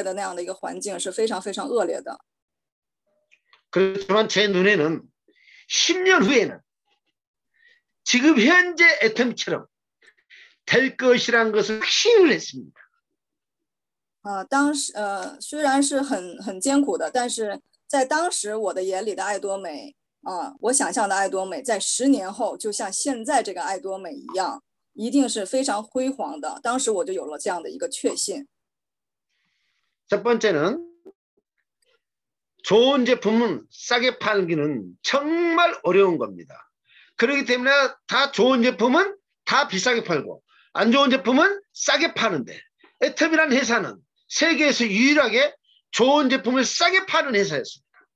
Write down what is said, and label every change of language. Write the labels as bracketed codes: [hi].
[zh] 而且在当时啊，因为在韩国，爱多美的这个形象呢，就给人感觉就是和其他的传统的那样的一个传销公司是没有什么区别的，所以说也跟人们提及的时候，他们也不会想到要用这个产品，连听都不愿意听。所以当时事业者们的那个所处的开拓事业的那样的一个环境是非常非常恶劣的。 [ko] 그렇지만 제 눈에는 10년 후에는 지금 현재 애텀처럼 될 것이란 것을 확신을 했습니다. [zh] 当时虽然是很艰苦的，但是在当时我的眼里的爱多美，我想象的爱多美，在10年后就像现在这个爱多美一样，一定是非常辉煌的。当时我就有了这样的一个确信。 [ko] 첫 번째는 좋은 제품은 싸게 팔기는 정말 어려운 겁니다. 그렇기 때문에 다 좋은 제품은 다 비싸게 팔고 안 좋은 제품은 싸게 파는데 애터미란 회사는 세계에서 유일하게 좋은 제품을 싸게 파는 회사였습니다.